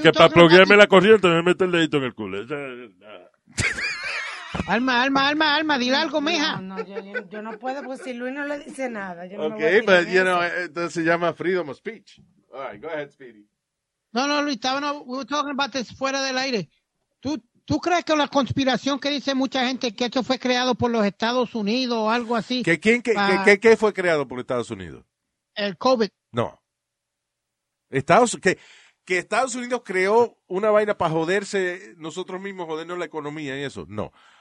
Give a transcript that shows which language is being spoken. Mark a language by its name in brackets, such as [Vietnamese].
[Spanish] que para ploguearme la corriente me mete el dedito en el culo. Alma, dile algo, mija. No, yo no puedo, porque si Luis no le dice nada. Yo ok, no [English] but you know, [Spanish] entonces se llama [English] freedom of speech. All right, go ahead, Speedy. No, Luis, we were talking about this [Spanish] fuera del aire. ¿Tú crees que la conspiración que dice mucha gente que esto fue creado por los Estados Unidos o algo así? ¿Qué fue creado por Estados Unidos? El COVID. No. ¿Que Estados Unidos creó una vaina para joderse nosotros mismos, jodernos la economía y eso? No.